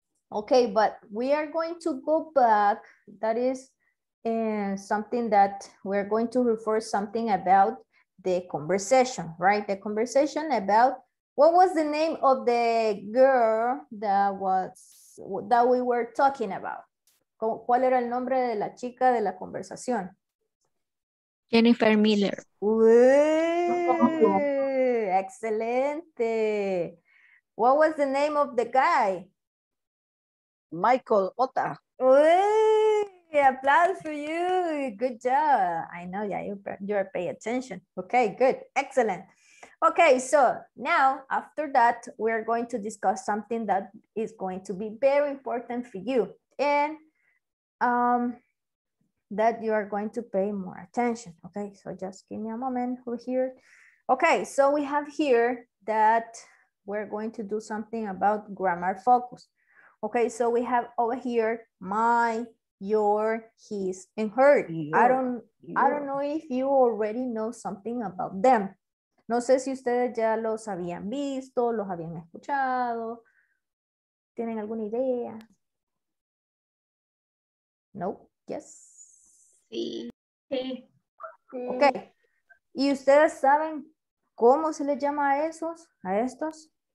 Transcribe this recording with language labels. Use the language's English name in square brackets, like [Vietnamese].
[English] Ok, but we are going to go back. That is something that we're going to refer something about the conversation, right? The conversation about what was the name of the girl that we were talking about? [Spanish] ¿Cuál era el nombre de la chica de la conversación? [English] Jennifer Miller. [Spanish] Excelente. [English] What was the name of the guy? Michael Ota. Applause for you. Good job. I know, yeah, you're paying attention. Okay, good. Excellent. Okay, so now after that, we're going to discuss something that is going to be very important for you and that you are going to pay more attention. Okay, so just give me a moment over here. Okay, so we have here that we're going to do something about grammar focus. Okay, so we have over here my, your, his, and her. I don't know if you already know something about them. [Spanish] No sé si ustedes ya los habían visto, los habían escuchado. ¿Tienen alguna idea? [English] No. Yes. [Spanish] Sí. Sí. [English] Ok. [Spanish] ¿Y ustedes saben cómo se les llama a esos, a estos?